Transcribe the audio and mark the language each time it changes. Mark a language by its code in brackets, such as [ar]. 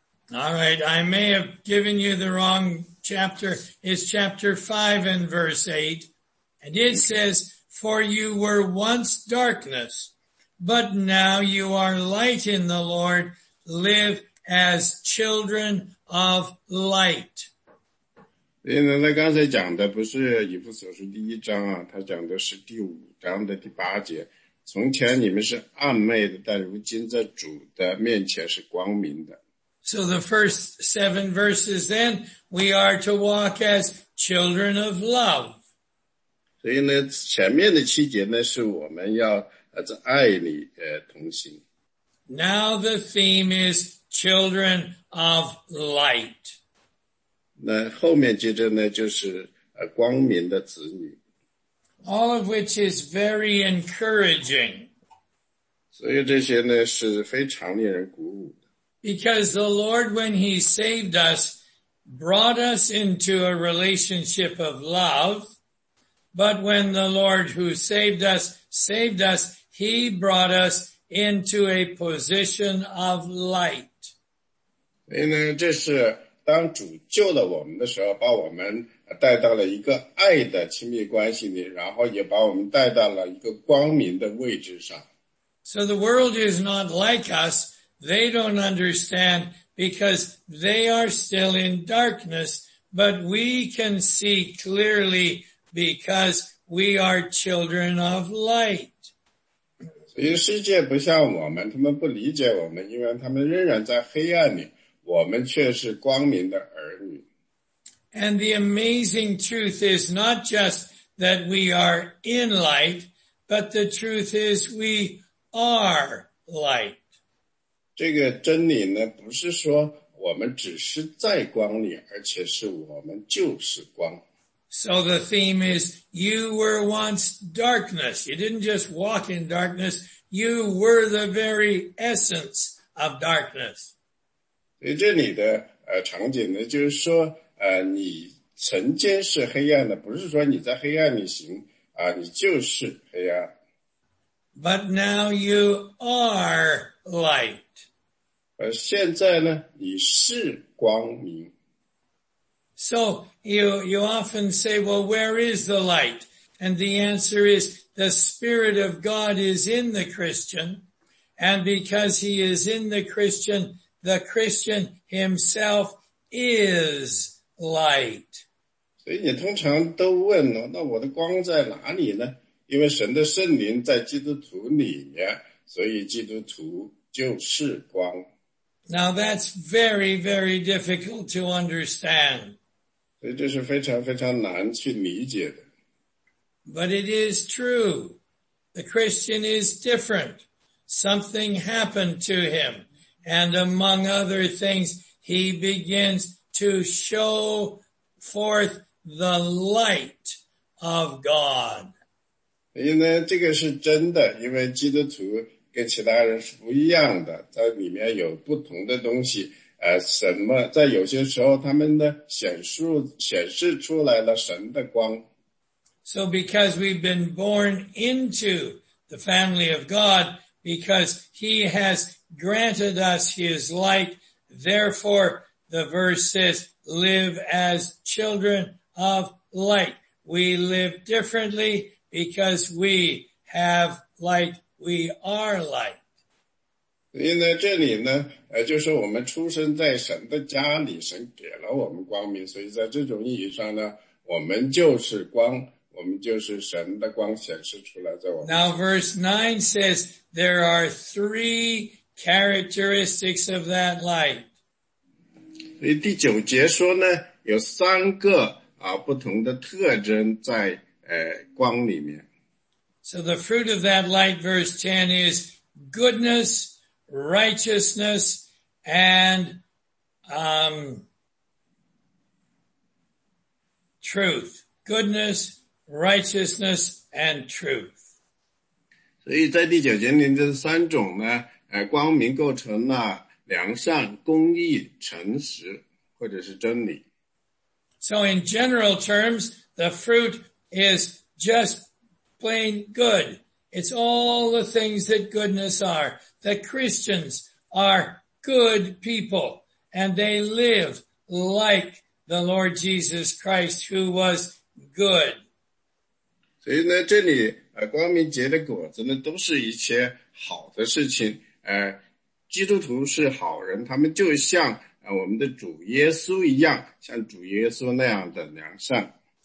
[en] All right, I may have given you the wrong chapter. It's chapter 5 and verse 8. And it says, For you were once darkness, but now you are light in the Lord. Live as children of light. [zh] 所以呢，他刚才讲的不是以弗所书第一章啊，他讲的是第五章的第八节。从前你们是暗昧的，但如今在主的面前是光明的。 [en] So the first seven verses then, we are to walk as children of love. [zh] 所以呢，前面的七节呢，是我们要在爱里同行。 [en] Now the theme is children of light. [zh] 那后面接着呢，就是光明的子女。 [en] All of which is very encouraging. [zh] 所以这些呢，是非常令人鼓舞的。 [en] Because the Lord, when He saved us, brought us into a relationship of love. But when the Lord who saved us, He brought us into a position of light. [zh] 所以呢，这是。当主救了我们的时候，把我们带到了一个爱的亲密关系里，然后也把我们带到了一个光明的位置上。 [en] So the world is not like us. They don't understand because they are still in darkness, but we can see clearly because we are children of light. [zh] So 世界不像我们，他们不理解我们，因为他们仍然在黑暗里。我们却是光明的儿女。 [en] And the amazing truth is not just that we are in light, but the truth is we are light. [zh] 这个真理呢，不是说我们只是在光里，而且是我们就是光。 [en] So the theme is, you were once darkness. You didn't just walk in darkness. You were the very essence of darkness. [zh] 所以这里的场景呢，就是说，你曾经是黑暗的，不是说你在黑暗里行，你就是黑暗。 [en] But now you are light. [zh] 现在呢，你是光明。 [en] So you often say, well, where is the light? And the answer is the Spirit of God is in the Christian. And because he is in the Christian himself is light. [zh] 所以你通常都问了，那我的光在哪里呢？因为神的圣灵在基督徒里面，所以基督徒就是光。 [en] Now that's very, very difficult to understand. [zh] 所以这是非常非常难去理解的。 [en] But it is true. The Christian is different. Something happened to him. And among other things, he begins to show forth the light of God. [zh] 因为这个是真的，因为基督徒跟其他人是不一样的，在里面有不同的东西。什么，在有些时候，他们的显示出来了神的光。 [en] So because we've been born into the family of God, because he has granted us his light, therefore the verse says, live as children of light. We live differently because we have light, we are light. [zh] 因为这里呢，就是我们出生在神的家里，神给了我们光明，所以在这种意义上呢，我们就是光，我们就是神的光显示出来，在我们 [en] Now, [zh] 身上。 [en] verse 9 says there are three characteristics of that light. [zh] 所以第九节说呢，有三个不同的特征在光里面。 [en] So the fruit of that light, verse 10, is goodness, righteousness, and truth, goodness, righteousness, and truth. [zh] 所以在第九节里这三种呢，光明构成了良善、公义、诚实，或者是真理。 [en] So in general terms, the fruit is just plain good. It's all the things that goodness are, that Christians are good people, and they live like the Lord Jesus Christ, who was good. [zh] 所以呢，这里光明结的果子呢，都是一些好的事情。基督徒是好人，他们就像我们的主耶稣一样，像主耶稣那样的良善。